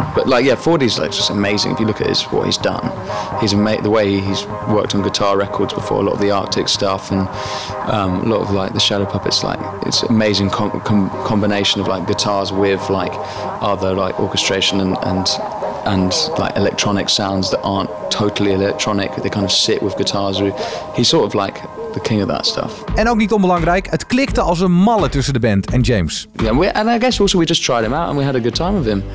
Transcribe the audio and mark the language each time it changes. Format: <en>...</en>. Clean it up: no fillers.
<en>But 4D's like just amazing. If you look at what he's done, he's made the way he's worked on guitar records before, a lot of the Arctic stuff and a lot of like the Shadow Puppets. Like it's amazing combination of like guitars with like other like orchestration and like electronic sounds that aren't totally electronic. They kind of sit with guitars. He's sort of like the king of that stuff.</en> <nl>En ook niet onbelangrijk, het klikte als een malle tussen de band en James.</nl> <en>Yeah, and I guess also we just tried him out and we had a good time with him.</en>